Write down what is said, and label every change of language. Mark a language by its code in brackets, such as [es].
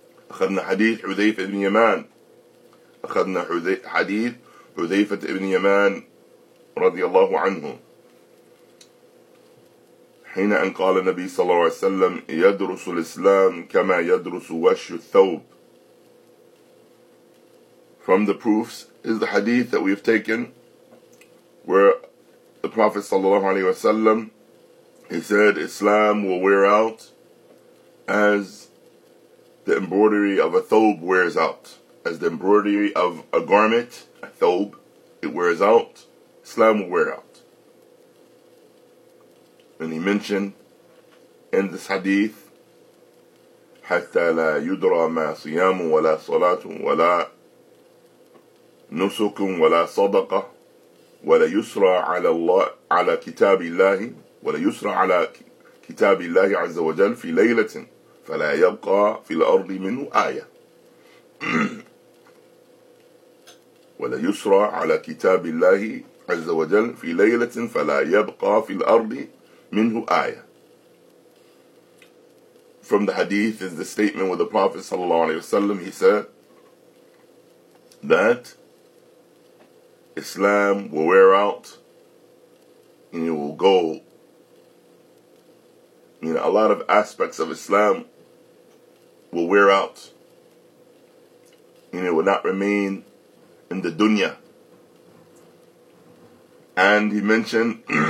[ar] أخذنا حديث حذيفة بن يمان. أخذنا حديث حذيفة بن يمان رضي الله عنه. حين أن قال النبي صلى الله عليه وسلم يدرس الإسلام كما يدرس وش الثوب. [en] From the proofs is the hadith that we have taken where the Prophet [ar] صلى الله عليه وسلم, [en] he said Islam will wear out as the embroidery of a thobe wears out. As the embroidery of a garment, a thobe, it wears out, Islam will wear out. And he mentioned in this hadith, [ar] حَتَّى لَا يُدْرَى مَا صِيَامٌ وَلَا صَلَاةٌ وَلَا نُسُكٌ وَلَا صَدَقَةٌ وَلَا يُسْرَى عَلَى اللَّهِ عَلَى كِتَابِ اللَّهِ وَلَا يُسْرَى عَلَى كِتَابِ اللَّهِ عَزَّ وَجَلَّ فِي لَيْلَةٍ فَلَا يَبْقَى فِي الْأَرْضِ مِنْهُ آيَةٌ وَلَا يُسْرَى عَلَى كِتَابِ اللَّهِ عَزَّ وَجَلَّ فِي لَيْلَةٍ فَلَا يَبْقَى فِي الْأَرْضِ منه آية. [en] From the hadith is the statement where the Prophet [ar] sallallahu alaihi wasallam, [en] he said that Islam will wear out and it will go. You know, a lot of aspects of Islam will wear out and it will not remain in the dunya. And he mentioned